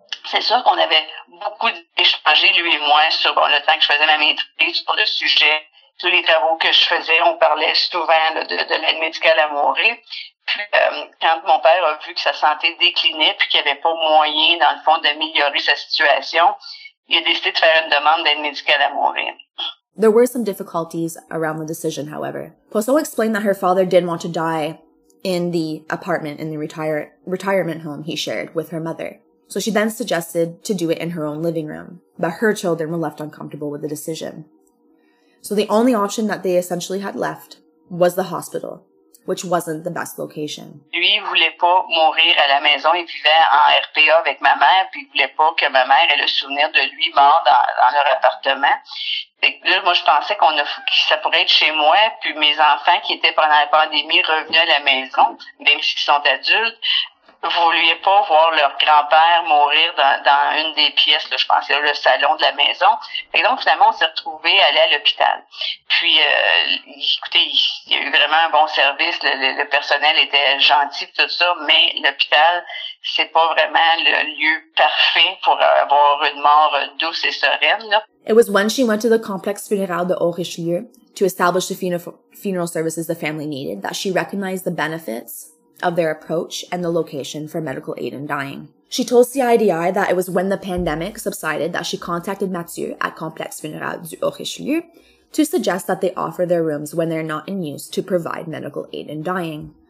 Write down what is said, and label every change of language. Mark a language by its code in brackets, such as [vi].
[fr] C'est sûr qu'on avait beaucoup échangé, lui et moi, sur le temps que je faisais ma maîtrise, sur le sujet, sur les travaux que je faisais. On parlait souvent de l'aide médicale à mourir. Puis, quand mon père a vu que sa santé déclinait puis qu'il n'y avait pas moyen, dans le fond, d'améliorer sa situation, il a décidé de faire une demande d'aide médicale à mourir. [en] There were some difficulties around the decision, however. Poisson explained that her father didn't want to die in the apartment in the retirement home he shared with her mother. So she then suggested to do it in her own living room, but her children were left uncomfortable with the decision. So the only option that they essentially had left was the hospital, which wasn't the best location. [fr] Lui voulait pas mourir à la maison. Il vivait en RPA avec ma mère, puis il voulait pas que ma mère ait le souvenir de lui mort dans leur appartement. Et là, moi, je pensais que ça pourrait être chez moi, puis mes enfants qui étaient pendant la pandémie revenaient à la maison, même s'ils sont adultes. Voulaient pas voir leur grand-père mourir dans une des pièces, là, je pensais le salon de la maison. Et donc, finalement, on s'est retrouvés à aller à l'hôpital. Puis, écoutez, il y a eu vraiment un bon service, le personnel était gentil, tout ça, mais l'hôpital, c'est pas vraiment le lieu parfait pour avoir une mort douce et sereine, là. [en] It was when she went to the complexe funéraire de Haut-Richelieu to establish the funeral services the family needed that she recognized the benefits of their approach and the location for medical aid in dying. She told CIDI that it was when the pandemic subsided that she contacted Mathieu at Complexe Funéraire du Haut-Richelieu to suggest that they offer their rooms when they're not in use to provide medical aid in dying.